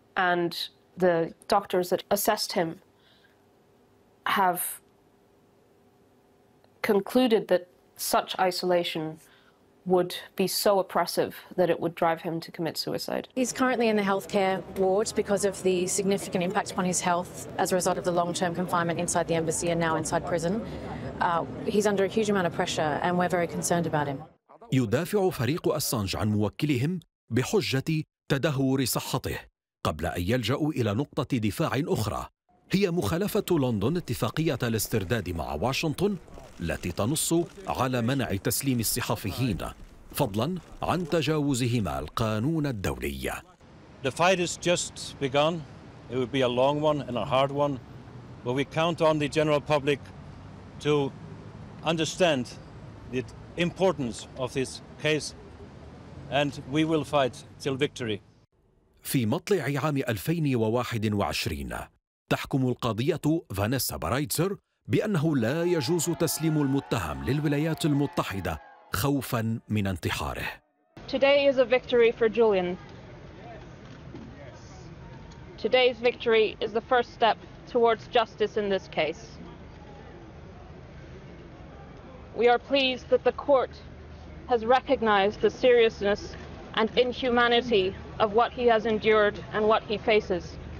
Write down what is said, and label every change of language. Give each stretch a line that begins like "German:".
English: And the doctors that assessed him have concluded that such isolation would be so oppressive that it would drive him to commit suicide. He's currently in the healthcare ward because of the significant impact upon his health as a result of the long-term confinement inside the embassy and now inside prison. He's under a huge amount of pressure and we're very concerned about him.
Arabic: يدافع فريق أسانج عن موكلهم بحجة تدهور صحته قبل أن يلجأ إلى نقطة دفاع أخرى، هي مخالفة لندن اتفاقية الاسترداد مع واشنطن التي تنص على منع تسليم الصحفيين فضلاً عن تجاوزهما القانون الدولي.
English: The fight has just begun. It will be a long one and a hard one, but we count on the general public to understand the importance of this case and we will fight till victory.
Arabic: في مطلع عام 2021 تحكم القاضية فانيسا برايتزر بأنه لا يجوز تسليم المتهم للولايات المتحدة خوفاً من انتحاره.
English: Today is a victory for Julian. Today's victory is the first step towards justice in this case. We are pleased that the court has recognized the seriousness and inhumanity of what he has endured and what he faces.